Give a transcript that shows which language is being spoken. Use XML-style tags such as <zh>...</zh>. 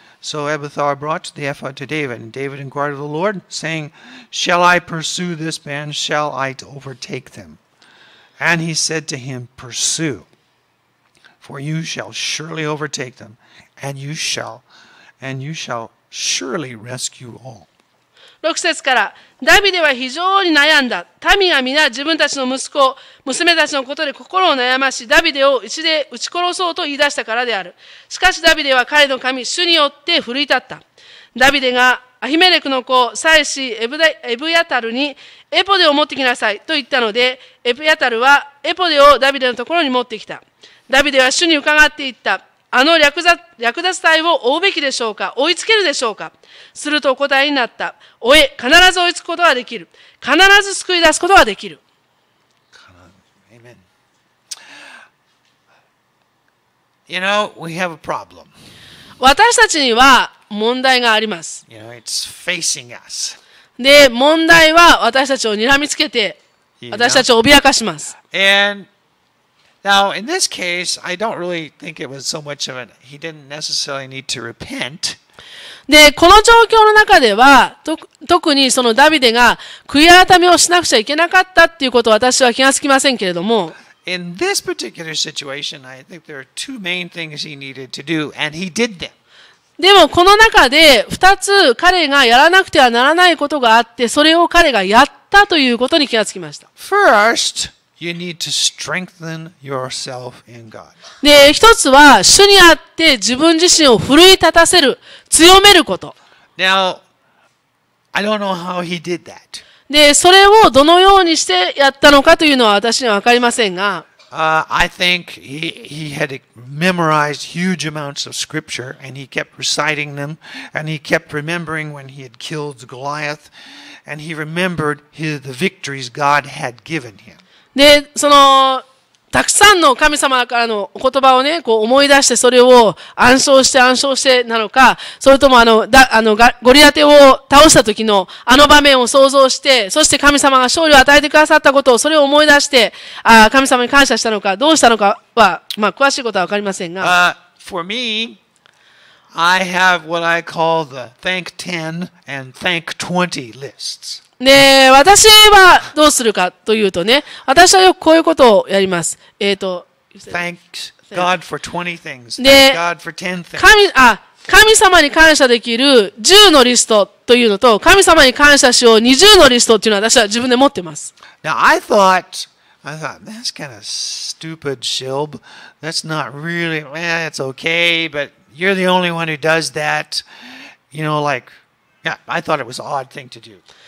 <en>So Abiathar brought the ephod to David, and David inquired of the Lord, saying, Shall I pursue this band? Shall I overtake them? And he said to him, Pursue, for you shall surely overtake them, and you shall surely rescue all.</en> <ja>6節から、ダビデは非常に悩んだ。民が皆自分たちの息子、娘たちのことで心を悩まし、ダビデを一で撃ち殺そうと言い出したからである。しかしダビデは彼の神、主によって奮い立った。ダビデがアヒメレクの子、祭司エブヤタルに、エポデを持ってきなさいと言ったので、エブヤタルはエポデをダビデのところに持ってきた。ダビデは主に伺って言った。あの略奪隊を追うべきでしょうか、追いつけるでしょうか。すると答えになった。追え、必ず追いつくことはできる。必ず救い出すことはできる。</ja> <en>Amen. You know, we have a problem.</en> <ja>私たちには問題があります。</ja> <en>You know, it's facing us.</en> <ja>で、問題は私たちを睨みつけて、私たちを脅かします。</ja> <en>You know? Now, in this case, I don't really think it was so much of a... He didn't necessarily need to repent.</en> <ja>で、この状況の中では、特にそのダビデが悔い改めをしなくちゃいけなかったっていうことは私は気がつきませんけれども。</ja> <en>In this particular situation, I think there are two main things he needed to do, and he did them.</en> <ja>でも、この中で二つ彼がやらなくてはならないことがあって、それを彼がやったということに気がつきました。</ja> <en>First,You need to strengthen yourself in God.</en> <ja>で、一つは主にあって自分自身を奮い立たせる、強めること。</ja> <en>Now, I don't know how he did that.</en> <ja>で、それをどのようにしてやったのかというのは私には分かりませんが、</ja> <en>I think he had memorized huge amounts of scripture and he kept reciting them and he kept remembering when he had killed Goliath and he remembered the victories God had given him.</en> <ja>で、その、たくさんの神様からの言葉をね、こう思い出して、それを暗唱してなのか、それともゴリアテを倒した時のあの場面を想像して、そして神様が勝利を与えてくださったことを、それを思い出して、神様に感謝したのか、どうしたのかは、まあ、詳しいことはわかりませんが。</ja> <en>For me, I have what I call the thank 10 and thank 20 lists.</en> <ja>で私はどうするかというとね、私はよくこういうことをやります。</ja> <en>Thanks God for 20 things. Thank God for 10 things.</en> <ja>神様に感謝できる10のリストというのと、神様に感謝しよう20のリストというのは私は自分で持ってます。</ja> <en>Now I thought, that's kind of stupid, Shilb. That's not really, it's okay, but you're the only one who does that. You know, like, yeah, I thought it was an odd thing to do.</en>